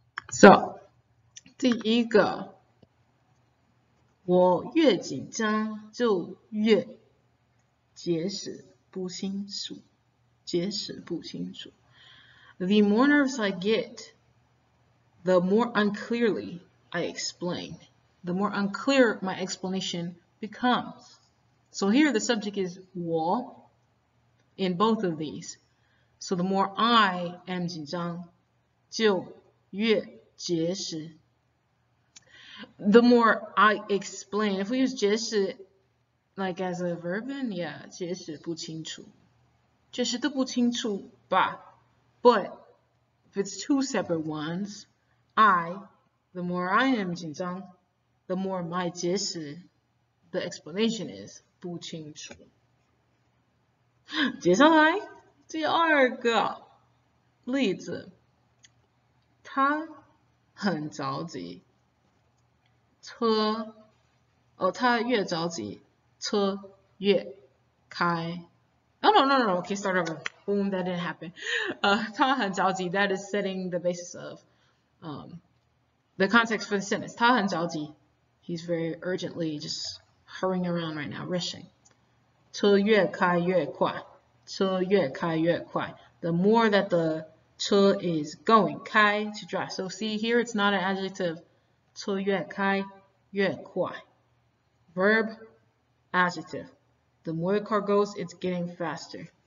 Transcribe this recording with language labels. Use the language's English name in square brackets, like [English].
[Chinese] So, 第一个, 我越紧张就越解释不清楚, 解释不清楚. [English] The more nervous I get, the more unclearly I explain, the more unclear my explanation becomes. So here the subject is 我 in both of these. So the more I am [Chinese] 紧张就越 解释, [English] the more I explain. If we use 解释 like as a verb, then yeah, [Chinese] 解释不清楚, 解释都不清楚吧. [English] But if it's two separate ones, I, the more I am 紧张, the more my 解释, the explanation is [Chinese] 不清楚. 接下来, 第二个例子, 他 很着急，车，哦，他越着急，车越开。 [English] Oh, no, okay, start over. Boom, that didn't happen. [Chinese] 他很着急， [English] that is setting the basis of the context for the sentence. [Chinese] 他很着急， [English] he's very urgently just hurrying around right now, rushing. [Chinese] 车越开越快，车越开越快。 [English] The more that the 车 is going, 开 to drive. So see here, it's not an adjective. [Chinese] 车越开越快. [English] Verb, adjective. The more the car goes, it's getting faster.